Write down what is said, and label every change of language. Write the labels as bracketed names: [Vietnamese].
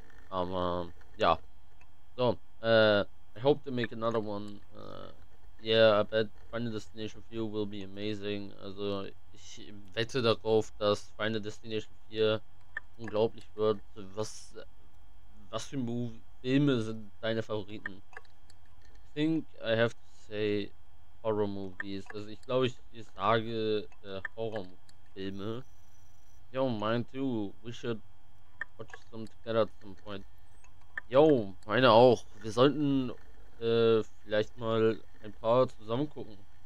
[German] Aber ja. [English] So, I hope to make another one. Yeah, I bet Final Destination 4 will be amazing. [German] Also ich wette darauf, dass Final Destination 4 unglaublich wird. Was für Filme sind deine Favoriten? [English] I think I have to say Horror Movies. [German] Also ich glaube, ich sage Horror Filme. [English] Yo, mine too. We should watch them together at some point. [German] Yo, meine auch. Wir sollten vielleicht mal ein paar zusammen gucken.